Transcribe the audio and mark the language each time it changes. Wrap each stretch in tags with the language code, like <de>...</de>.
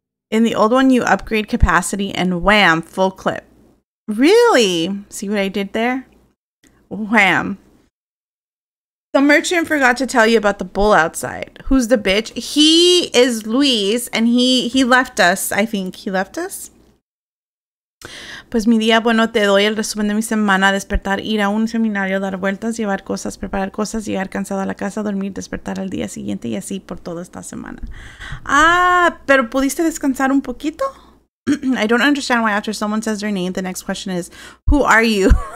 <en>In the old one, you upgrade capacity and wham, full clip. Really? See what I did there? Wham. The merchant forgot to tell you about the bull outside. Who's the bitch? He is Luis, and he left us, I think. He left us?</en> <es>Pues mi día bueno, te doy el resumen de mi semana, despertar, ir a un seminario, dar vueltas, llevar cosas, preparar cosas, llegar cansado a la casa, dormir, despertar al día siguiente y así por toda esta semana. Ah, pero ¿pudiste descansar un poquito?</es> <en>I don't understand why after someone says their name, the next question is, who are you?</en>